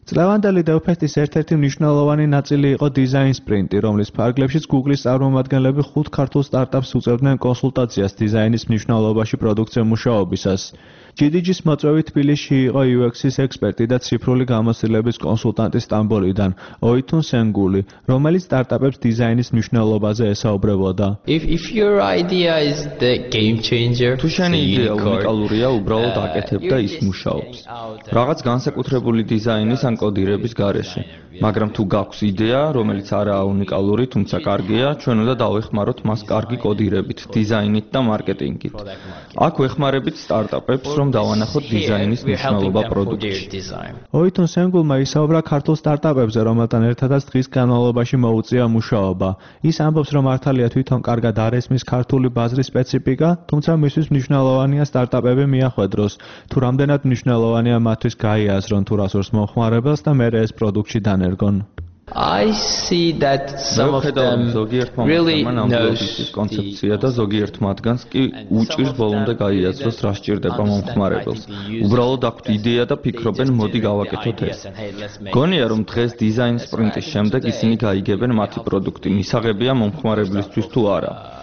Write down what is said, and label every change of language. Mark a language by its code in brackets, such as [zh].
[ka] წლევანდელი დევფესტის ერთ-ერთი მნიშვნელოვანი ნაწილი იყო დიზაინ სპრინტი, რომლის ფარგლებშიც Google-ის წარმომადგენლები ხუთ ქართულ სტარტაპს უწევდნენ კონსულტაციას დიზაინის მნიშვნელობაში პროდუქციის მუშაობისას. GDG-ის მოწვევით თბილისში იყო UX-ის ექსპერტი და ციფრული გამოცდილების კონსულტანტი სტამბოლიდან ოითუნ სენგული, რომელიც სტარტაპებს დიზაინის მნიშვნელობაზე ესაუბრებოდა. [en] If your idea is the game changer, [ka] თუ შენი იდეა უნიკალურია, უბრალოდ აკეთებ და ის მუშაობს. რაღაც განსაკუთრებული დიზაინის ან კოდირების გარეშე. მაგრამ თუ გაქვს იდეა, რომელიც არაა უნიკალური, თუმცა კარგია, ჩვენ უნდა დავეხმაროთ მას კარგი კოდირებით, დიზაინით და მარკეტინგით. აქ ვეხმარებით სტარტაპებს, რომ დავანახოთ დიზაინის მნიშვნელობა პროდუქტში. ოითონ სენგულმა ისაუბრა ქართულ სტარტაპებზე, რომელთან ერთადაც დღის განმავლობაში მოუწია მუშაობა. ის ამბობს, რომ მართალია თვითონ კარგად არესმის ქართული ბაზრის სპეციფიკა, თუმცა მისთვის მნიშვნელოვანია სტარტაპები მიახვედროს, თუ რამდენად მნიშვნელოვანია მათთვის გაიაზრონ თუ რასურს მომხმარებელს და მერე ეს პროდუქტში დანერგონ. [en] I see that some of them really knows this [ka] concept და ზოგიერთ მათგანს კი უჭირს ბოლომდე გაიაზროს რა სჭირდება მომხმარებელს. უბრალოდ აქვთ იდეა და ფიქრობენ მოდი გავაკეთოთ ეს. გონია რომ დღეს დიზაინ სპრინტის შემდეგ ისინი გაიგებენ მათი პროდუქტი მისაღებია მომხმარებლისთვის თუ არა.